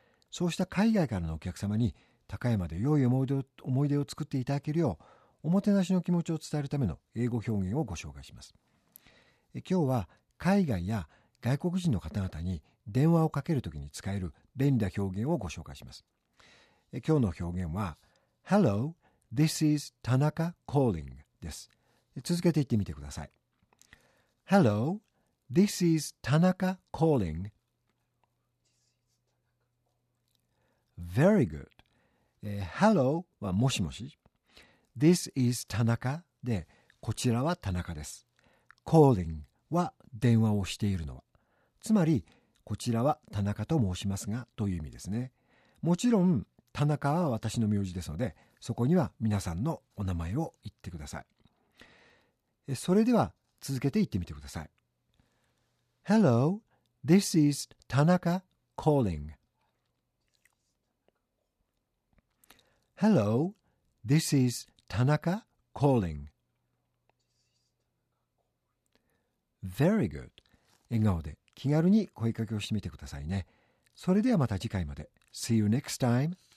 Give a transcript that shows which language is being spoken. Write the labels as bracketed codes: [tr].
[ja] そうした海外からのお客様に高山で良い思い出を作っていただけるよう、おもてなしの気持ちを伝えるための英語表現をご紹介します。今日は海外や外国人の方々に電話をかけるときに使える便利な表現をご紹介します。今日の表現は [en] Hello, this is Tanaka calling [ja] です。続けて言ってみてください。 [en] Hello, this is Tanaka calling. Very good. [ja] Hello はもしもし。 [en] This is Tanaka [ja] でこちらは田中です。 Calling は電話をしているのは。つまりこちらは田中と申しますがという意味ですね。もちろん田中は私の名字ですので、そこには皆さんのお名前を言ってください。それでは続けて言ってみてください。 [en] Hello, this is Tanaka calling. Hello, this is Tanaka calling. Very good. [ja] 笑顔で気軽に声かけをしてみてくださいね。それではまた次回まで。 [en] See you next time.